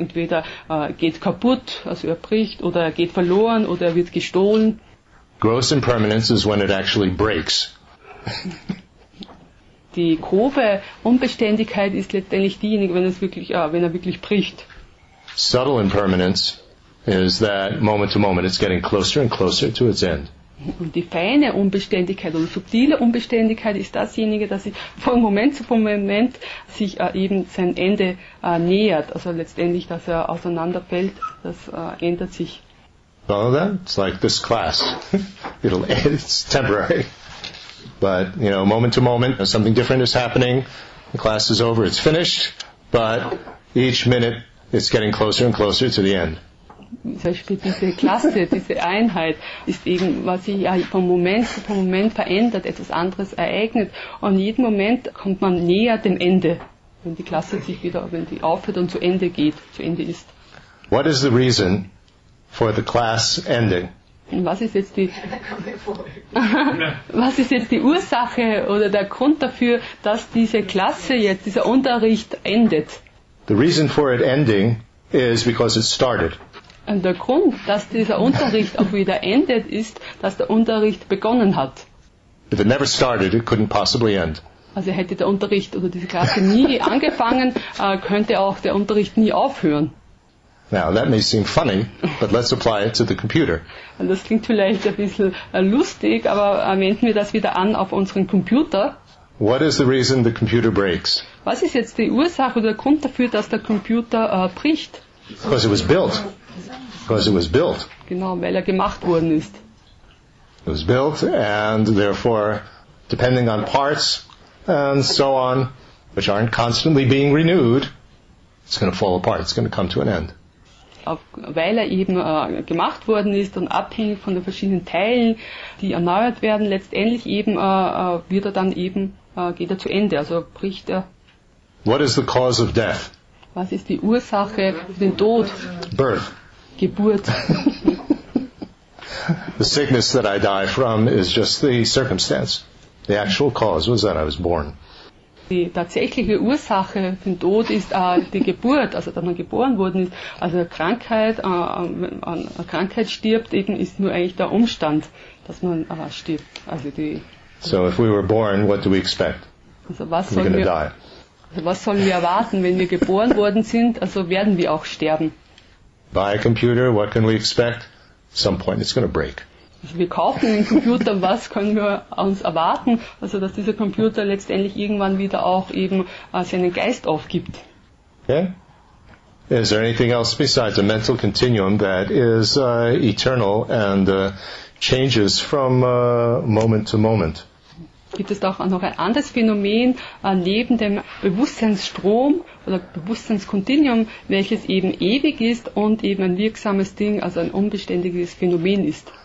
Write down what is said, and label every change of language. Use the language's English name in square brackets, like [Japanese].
[German] Entweder geht kaputt, also bricht, oder geht verloren, oder wird gestohlen. [English] Gross impermanence is when it actually breaks. [German] Die grobe Unbeständigkeit ist letztendlich diejenige, wenn es wirklich, wenn er wirklich bricht. [English] Subtle impermanence is that moment to moment it's getting closer and closer to its end. [German] Und die feine Unbeständigkeit oder subtile Unbeständigkeit ist dasjenige, dass sich von Moment zu Moment sich eben sein Ende nähert. Also letztendlich, dass er auseinanderfällt, das ändert sich. [English] Follow that? It's like this class. It's temporary. But, you know, moment to moment, something different is happening. The class is over, it's finished. But each minute, it's getting closer and closer to the end. [German] Zum Beispiel diese Klasse, diese Einheit ist eben, was sich ja von Moment verändert, etwas anderes ereignet. Und jeden Moment kommt man näher dem Ende, wenn die Klasse sich wieder, wenn die aufhört und zu Ende geht, zu Ende ist. [English] What is the reason for the class ending? [German] Was ist jetzt die Ursache oder der Grund dafür, dass diese Klasse jetzt, dieser Unterricht endet? [English] The reason for it ending is because it started. [German] Und der Grund, dass dieser Unterricht auch wieder endet, ist, dass der Unterricht begonnen hat. [English] If it never started, it couldn't possibly end. [German] Also hätte der Unterricht oder diese Klasse nie angefangen, könnte auch der Unterricht nie aufhören. [English] Now, that may seem funny, but let's apply it to the computer. [German] Das klingt vielleicht ein bisschen lustig, aber wenden wir das wieder an auf unseren Computer. [English] What is the reason the computer breaks? [German] Was ist jetzt die Ursache oder der Grund dafür, dass der Computer bricht? [English] Because it was built. Because it was built. [German] Genau, weil er gemacht worden ist. [English] It was built and therefore, depending on parts and so on, which aren't constantly being renewed, it's going to fall apart, it's going to come to an end. [German] Weil er eben gemacht worden ist und abhängig von den verschiedenen Teilen, die erneuert werden, letztendlich eben wird er dann eben, geht er zu Ende, also bricht er. [English] What is the cause of death? [German] Was ist die Ursache für den Tod? [English] Birth. [German] Geburt. [English] The sickness that I die from is just the circumstance. The actual cause was that I was born. [German] Die tatsächliche Ursache für den Tod ist die Geburt, also dass man geboren worden ist. Also Krankheit, wenn man an Krankheit stirbt, eben ist nur eigentlich der Umstand, dass man stirbt. Also die. [English] So if we were born, what do we expect? [German] Also was sollen wir? Die. Also was sollen wir erwarten, wenn wir geboren worden sind? Also werden wir auch sterben? [English] Buy a computer. What can we expect? At some point, it's going to break. [German] Also wir kaufen einen Computer, was können wir uns erwarten? Also, dass dieser Computer letztendlich irgendwann wieder auch eben seinen Geist aufgibt. [English] Okay. Is there anything else besides a mental continuum that is eternal and changes from moment to moment? [German] Gibt es doch auch noch ein anderes Phänomen neben dem Bewusstseinsstrom oder Bewusstseinskontinuum, welches eben ewig ist und eben ein wirksames Ding, also ein unbeständiges Phänomen ist?